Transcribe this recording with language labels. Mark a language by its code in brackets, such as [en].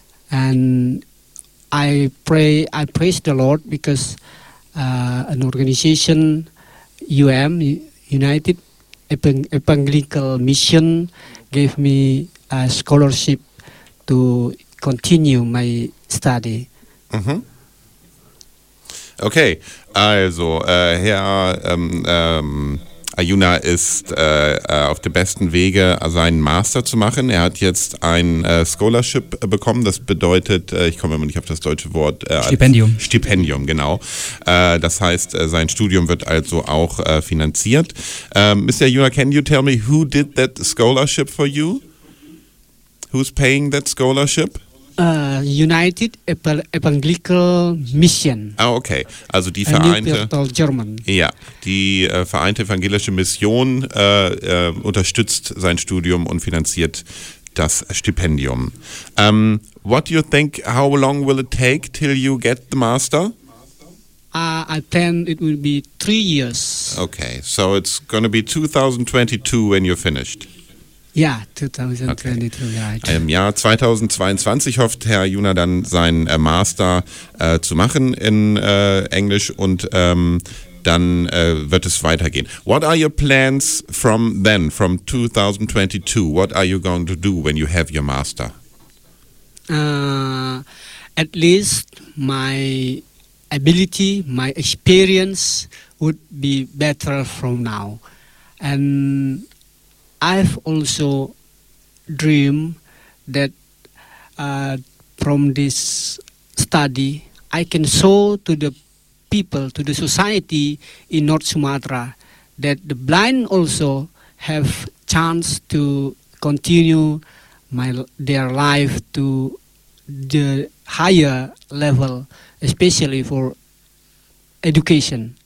[en] And I praise the Lord because an organization, UM, United Evangelical Mission, gave me a scholarship to continue my study. Mm-hmm. [de] Okay, also, Ayuna ist auf dem besten Wege, seinen Master zu machen. Er hat jetzt ein Scholarship bekommen. Das bedeutet, ich komme immer nicht auf das deutsche Wort. Stipendium. Stipendium, genau. Das heißt, sein Studium wird also auch finanziert. [en] Mr. Ayuna, can you tell me who did that scholarship for you? Who's paying that scholarship? United Evangelical Mission. [de] Ah, okay. Also die Vereinte. [en] German. [de] Ja, die Vereinte Evangelische Mission unterstützt sein Studium und finanziert das Stipendium. [en] What do you think? How long will it take till you get the master? I plan it will be 3 years. Okay, so it's going to be 2022 when you're finished. [de] Ja, 2022, okay. Ja. Im Jahr 2022 hofft Herr Ayuna dann seinen Master zu machen in Englisch und dann wird es weitergehen. [en] What are your plans from then, from 2022? What are you going to do when you have your Master? At least my ability, my experience would be better from now. And I've also dream that from this study I can show to the people, to the society in North Sumatra, that the blind also have chance to continue their life to the higher level, especially for education.